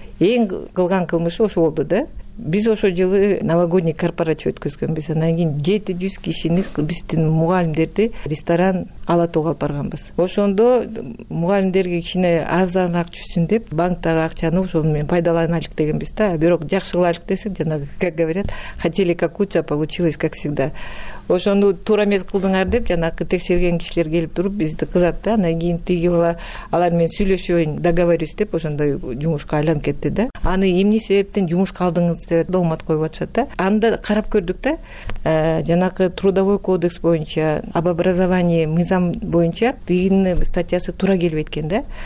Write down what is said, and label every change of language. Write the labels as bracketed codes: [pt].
[ky] Эң кылган кылмышы ошо болду да. Биз ошо жылы [ru] новогодний корпорация [ky] өткөзгөнбүз, анан кийин 700 кишини биздин мугалимдерди ресторан ала тоого алып барганбыз. Ошондо мугалимдерге кичине арзан акчусун деп банктагы акчаны ошо менен пайдаланалык дегенбиз да. Бирок жакшы кылалык десек, жана [ru] как говорят, хотели как лучше, а получилось как всегда. [ky] Ошону туура эмес кылдыңар деп жанакы текшерген кишилер келип туруп бизди кызатты. Анан кийин тиги бала алар менен сүйлөшөйүн, [ru] договорюсь [ky] деп ошондой жумушка айланып кетти да. Аны эмне себептен жумушка алдыңыз деп доомат коюп атышат да. Анда карап көрдүк да, жанакы [ru] трудовой кодекс [ky] боюнча, [ru] об образовании [ky] мыйзам боюнча тигинин статьясы туура келбейт экен да.